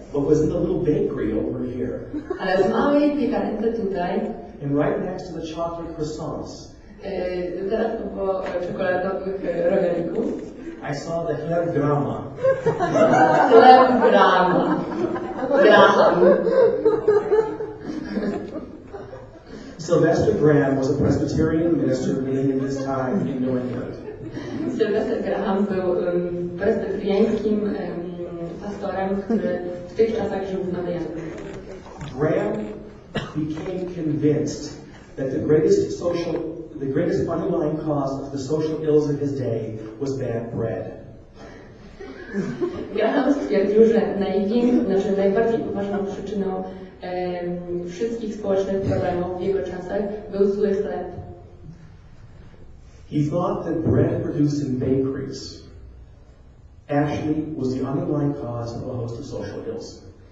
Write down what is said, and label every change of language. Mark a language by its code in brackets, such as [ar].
[en] But was in the little bakery over here. [pl] Ale w małej piekarence tutaj. [en] And right next to the chocolate croissants. [pl] Teraz po czekoladowych rogalików. [en] I saw the Herr Grama. Herr Grama. Graham. Sylvester Graham was a Presbyterian minister living in this time in New England. [pl] Sylvester Graham był presbyteriańskim pastorem, który w tych czasach żył w Nowej Anglii. [en] Graham became convinced that the greatest underlying cause of the social ills of his day was bad bread. [pl] Graham stwierdził, że najbardziej poważną przyczyną wszystkich społecznych problemów w jego czasach był zły chleb. [en] He thought that bread produced in bakeries actually was the underlying cause of a host of social ills.